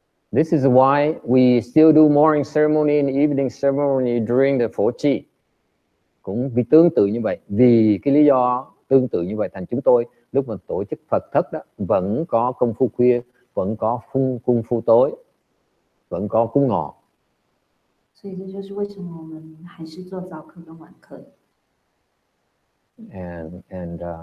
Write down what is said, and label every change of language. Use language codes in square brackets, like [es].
[en] This is why we still do morning ceremony and evening ceremony during the Phổ Chi. [vi] Cũng vì tương tự như vậy, vì cái lý do tương tự như vậy, thành chúng tôi lúc mà tổ chức Phật thất đó vẫn có công phu khuya, vẫn có cung phu tối, vẫn có cung ngọ. [zh] 所以这就是为什么我们还是做早课跟晚课。And